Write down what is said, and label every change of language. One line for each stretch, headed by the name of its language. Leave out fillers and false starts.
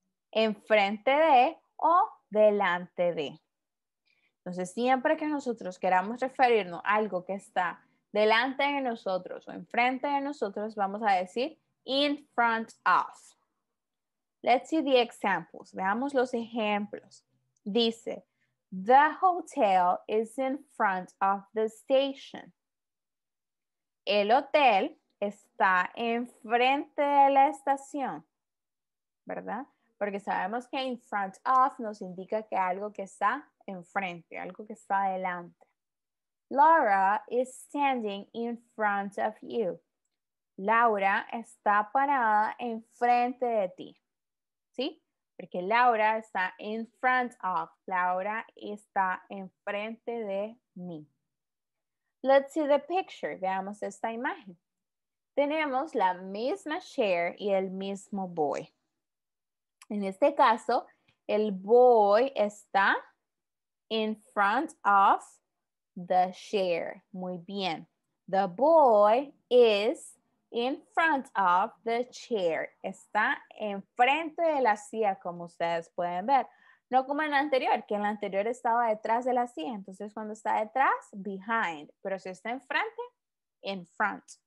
Spanish: Enfrente de o delante de. Entonces, siempre que nosotros queramos referirnos a algo que está delante de nosotros o enfrente de nosotros, vamos a decir
English: in front of. Let's see the examples.
Spanish: Veamos los ejemplos. Dice,
English: the hotel is in front of the station.
Spanish: El hotel está enfrente de la estación, ¿verdad? Porque sabemos que
English: in front of
Spanish: nos indica que algo que está enfrente, algo que está adelante.
English: Laura is standing in front of you.
Spanish: Laura está parada enfrente de ti, ¿sí? Porque Laura está
English: in front of.
Spanish: Laura está enfrente de mí.
English: Let's see the picture.
Spanish: Veamos esta imagen. Tenemos la misma chair y el mismo boy. En este caso, el boy está
English: in front of the chair.
Spanish: Muy bien.
English: The boy is in front of the chair.
Spanish: Está enfrente de la silla, como ustedes pueden ver. No como en la anterior, que en la anterior estaba detrás de la silla. Entonces, cuando está detrás, behind. Pero si está enfrente,
English: in front.